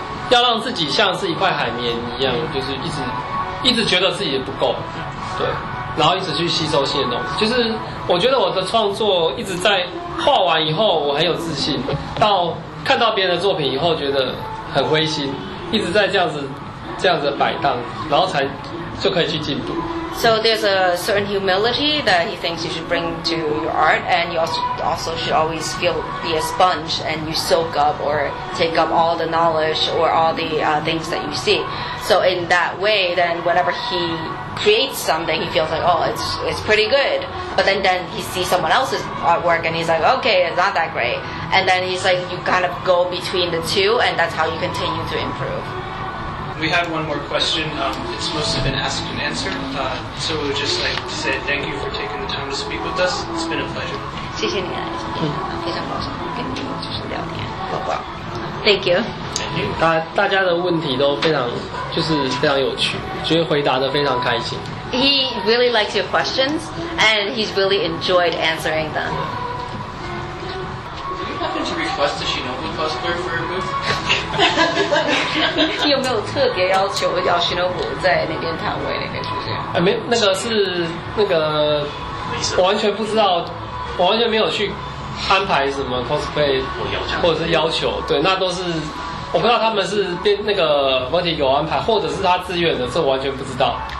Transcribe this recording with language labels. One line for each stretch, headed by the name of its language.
Chinese: 要让自己像是一块海绵一样，就是一直觉得自己不够，对，然后一直去吸收新的东西。就是我觉得我的创作一直在画完以后，我很有自信，到看到别人的作品以后觉得很灰心，一直在这样子摆荡，然后才就可以去进步。
English: So there's a certain humility that he thinks you should bring to your art, and you also should always be a sponge and you soak up or take up all the knowledge or all the things that you see. So in that way, then whenever he creates something, he feels like, oh, it's pretty good. But then he sees someone else's artwork and he's like, okay, it's not that great. And then he's like, you kind of go between the two, and that's how you continue to improve. We have one more question. It's mostly been asked and answered. So we would just like to say thank you for taking the time to speak with us. It's been a pleasure.
Chinese: 谢谢你啊，非常高兴跟你就是聊天，宝宝。
English: Thank you. Thank you.
Chinese: 大家的问题都非常就是非常有趣，觉得回答得非常开心。
English: He really likes your questions, and he's really enjoyed answering them. Do you happen to request a Shinobu cosplay for your booth?
Chinese: 你有没有特别要求要寻求我在那边摊位那边出现？没，那个是那个，我完全不知道，我完全没有去安排什么 cosplay 或者是要求，对，那都是我不知道他们是编那个问题有安排，或者是他自愿的，这完全不知道。